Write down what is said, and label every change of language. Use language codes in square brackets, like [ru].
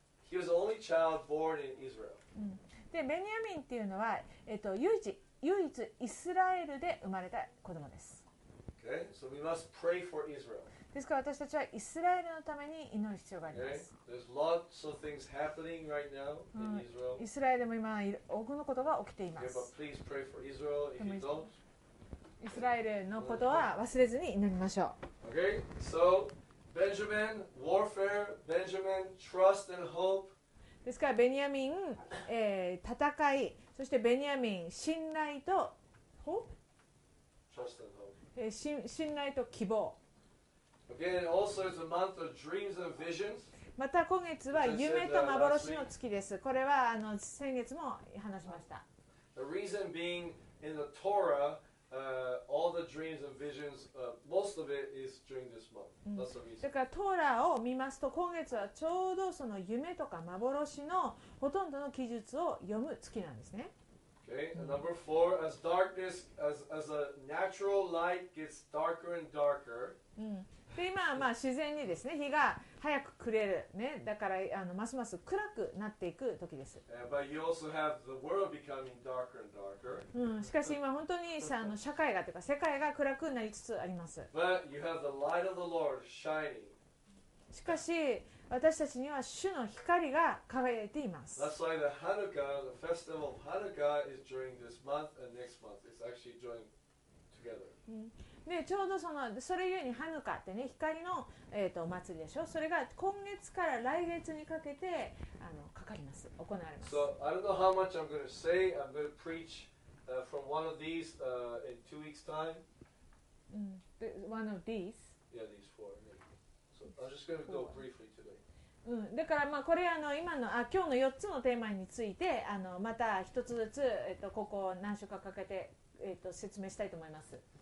[en] He was the only child born in Israel. [ja] でベニヤミンっていうのは、唯一イスラエルで生まれた子供です。 [en] Okay. So we must pray for Israel. [ja] ですから私たちはイスラエルのために祈る必要があります。 [en] Okay. There's lots of things happening right now in Israel. [ja] イスラエルでも今多くのことが起きています。 [en] Yeah, but please pray for Israel if you don't. [ja] イスラエルのことは忘れずに祈りましょう。 [en] Okay. So Benjamin, warfare. Benjamin, trust and hope. [ja] ですからベニヤミン、戦い、そしてベニヤミン信頼と [en] hope、 [ja] 信頼と希望。 [en] Again, also it's a month of dreams and visions. [ja] また今月は夢と幻の月です。これは先月も話しました。 [en] The reason being in the Torah, all the dreams and visions, most of it is during this month. That's the reason. [ja] だからトーラを見ますと、今月はちょうどその夢とか幻のほとんどの記述を読む月なんですね。 [en] Okay. Number four, as darkness, as a natural light gets darker and darker. [ja] で今はまあ自然にですね、日が早く暮れるね、だからますます暗くなっていく時です。 [en] But you also have the world becoming darker and darker. [ja] しかし今本当にさ社会がというか世界が暗くなりつつあります。 [en] But you have the light of the Lord shining. [ja] しかし私たちには主の光が輝いています。 [en] That's why the Hanukkah, the festival of Hanukkah, is during this month and next month. It's actually joined together. [ja] でちょうどそれゆえにハヌカってね、光の、祭りでしょ。それが今月から来月にかけてかかります、行われます。 [en] So I don't know how much I'm going to say. I'm going to preach from one of these in 2 weeks' time. One of these? Yeah, these four. So I'm just going to go briefly today. [ja] だからまあこれ今の今日の4つのテーマについてまた一つずつここ何週間かけて説明したいと思います。